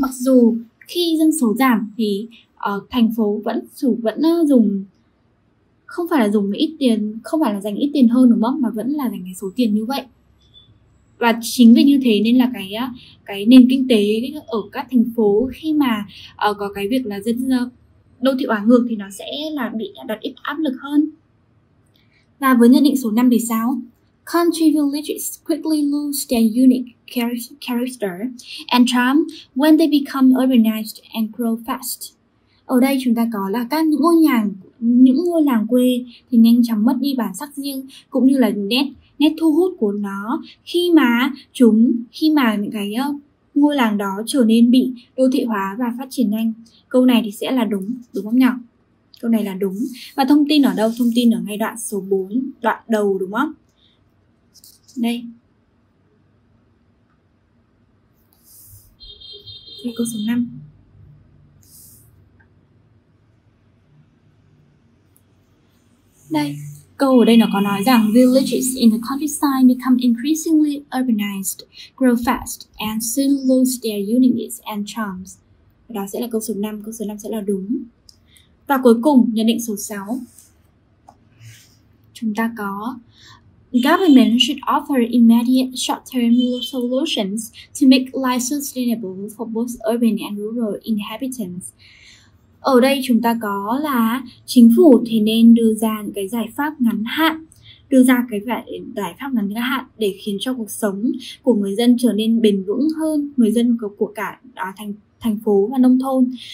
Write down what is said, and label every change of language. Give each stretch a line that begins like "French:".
Vietnamese: Mặc dù khi dân số giảm thì thành phố vẫn dùng không phải là dùng ít tiền, không phải là dành ít tiền hơn đúng không, mà vẫn là dành cái số tiền như vậy. Và chính vì như thế nên là cái nền kinh tế ở các thành phố khi mà có cái việc là dân đô thị hóa ngược thì nó sẽ là bị đặt ít áp lực hơn. Và với nhận định số 5 thì sao?
English: Country villages quickly lose their unique character and charm when they become urbanized and grow fast.
Vietnamese: Ở đây chúng ta có là các những ngôi làng quê thì nhanh chóng mất đi bản sắc riêng cũng như là nét thu hút của nó khi mà những cái ngôi làng đó trở nên bị đô thị hóa và phát triển nhanh. Câu này thì sẽ là đúng không nhỉ? Câu này là đúng. Và thông tin ở đâu? Thông tin ở ngay đoạn số 4, đoạn đầu đúng không? Đây. Đây câu số 5. Đây. Câu ở đây nó có nói rằng
English: villages in the countryside become increasingly urbanized, grow fast, and soon lose their uniqueness and charms.
Vietnamese: Đó sẽ là câu số 5, câu số 5 sẽ là đúng. Và cuối cùng, nhận định số 6. Chúng ta có
English: Government should offer immediate short-term solutions to make life sustainable for both urban and rural inhabitants.
Vietnamese: Ở đây chúng ta có là chính phủ thì nên đưa ra những cái giải pháp ngắn hạn, đưa ra cái giải pháp ngắn hạn để khiến cho cuộc sống của người dân trở nên bền vững hơn, người dân của cả thành phố và nông thôn.